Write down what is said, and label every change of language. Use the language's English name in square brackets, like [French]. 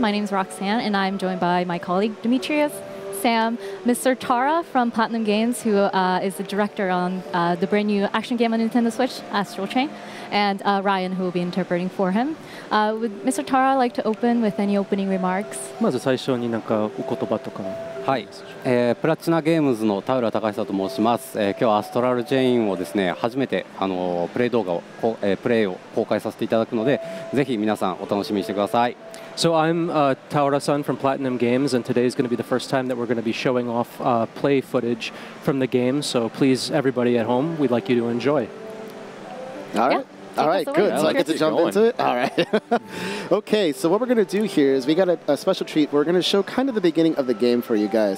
[English] My name is Roxanne and I'm joined by my colleague Demetrius, Sam, Mr. Tara from Platinum Games, who is the director on the brand new action game on Nintendo Switch, Astral Chain, and Ryan, who will be interpreting for him. Would Mr. Tara like to open with any opening remarks? [Japanese] まず最初になんかお言葉とか。はい。プラチナゲームズの田浦隆久と申します。今日アストラルチェインをですね、初めてプレイ動画を公開させていただくので、ぜひ皆さんお楽しみにしてください。 [English] So I'm Taura-san from Platinum Games, and today is going to be the first time that we're going to be showing off play footage from the game. So please, everybody at home, we'd like you to enjoy. All right. Yeah. All right, good. So I get to jump into it? All right. Okay, so what we're going to do here is we got a special treat. We're going to show kind of the beginning of the game for you guys.